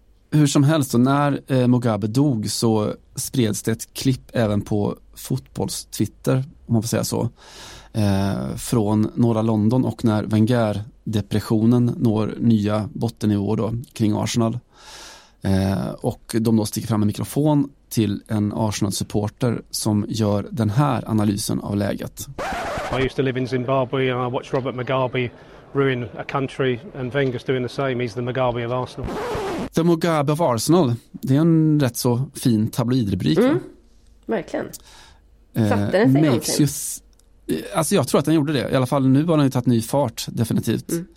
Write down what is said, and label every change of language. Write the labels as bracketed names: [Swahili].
[Swedish] Hur som helst, och när Mugabe dog så spreds det ett klipp även på fotbollstwitter, om man får säga så, från norra London, och när Wenger-depressionen når nya bottennivåer då kring Arsenal, och de då sticker fram en mikrofon till en Arsenal-supporter som gör den här analysen av läget. [English] I used to live in Zimbabwe and I watched Robert Mugabe ruin a country, and Wenger's doing the same. He's the Mugabe of Arsenal. The Mugabe of Arsenal. [Swedish] Det är en rätt så fin tabloidrubrik. Mm. Verkligen. Satte den sig just, alltså jag tror att den gjorde det. I alla fall nu har den ju tagit ny fart, definitivt.